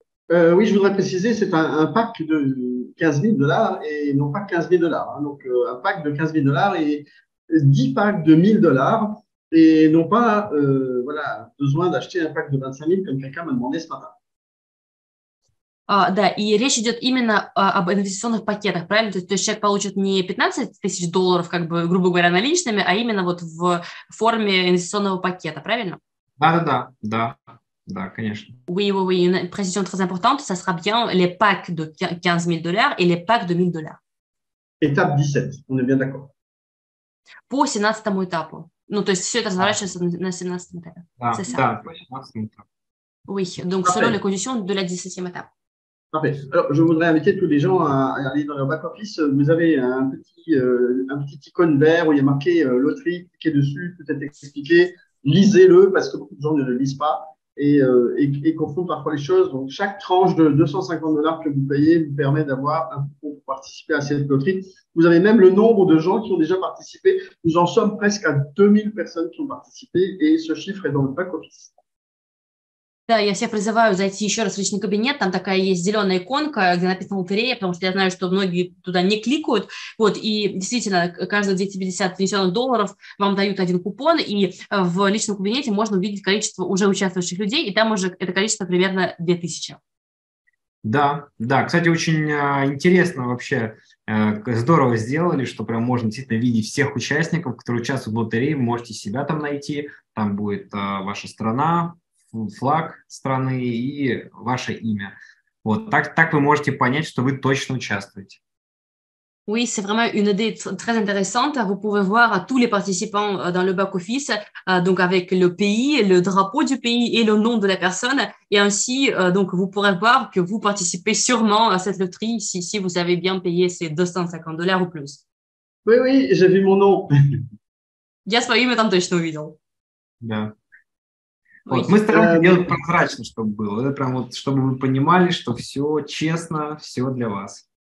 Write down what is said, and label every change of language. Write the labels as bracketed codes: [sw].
[fr] Oui, je voudrais préciser, c'est un pack de 15 000 dollars et non pas 15 000 dollars. Hein, donc, un pack de 15 000 dollars et 10 packs de 1 000 dollars et non pas besoin d'acheter un pack de 25 000 comme quelqu'un m'a demandé ce matin. [ru] Да, и речь идет именно об инвестиционных пакетах, правильно? То есть человек получит не 15 тысяч долларов, как бы, грубо говоря, наличными, а именно вот в форме инвестиционного пакета, правильно? Да. Да, конечно. [fr] Oui, une précision très importante, ça sera bien les packs de 15 000 dollars et les packs de 1 000 dollars. Étape 17, on est bien d'accord. [ru] По 17-му этапу. Ну, то есть, все это разворачивается на 17-му этапе. Да, по 17-му этапу. [fr] Oui, donc selon les conditions de la 17e étape. Parfait. Alors, je voudrais inviter tous les gens à aller dans leur back-office. Vous avez un petit icône vert où il y a marqué loterie, cliquez dessus, peut-être expliqué. Lisez-le parce que beaucoup de gens ne le lisent pas. Et confond parfois les choses. Donc, chaque tranche de 250 dollars que vous payez vous permet d'avoir un coupon pour participer à cette loterie. Vous avez même le nombre de gens qui ont déjà participé. Nous en sommes presque à 2000 personnes qui ont participé et ce chiffre est dans le back office. [ru] Да, я всех призываю зайти еще раз в личный кабинет. Там такая есть зеленая иконка, где написано «Лотерея», потому что я знаю, что многие туда не кликают. Вот, и действительно, каждые 250 внесенных долларов вам дают один купон, и в личном кабинете можно увидеть количество уже участвующих людей, и там уже это количество примерно 2000. Да. Кстати, очень интересно вообще. Здорово сделали, что прям можно действительно видеть всех участников, которые участвуют в лотерее. Вы можете себя там найти. Там будет ваша страна, флаг страны и ваше имя. Вот так вы можете понять, что вы точно участвуете. [fr] Oui, c'est vraiment une idée très intéressante. Vous pouvez voir tous les participants dans le back office, donc avec le pays, le drapeau du pays et le nom de la personne. Et ainsi, donc vous pourrez voir que vous participez sûrement à cette loterie si vous avez bien payé ces 250 dollars ou plus. Oui, j'ai vu mon nom. [ru] Я свое имя там точно увидел. Да. Вот, мы стараемся делать прозрачно, чтобы было. Это прям вот, чтобы вы понимали, что все честно, все для вас.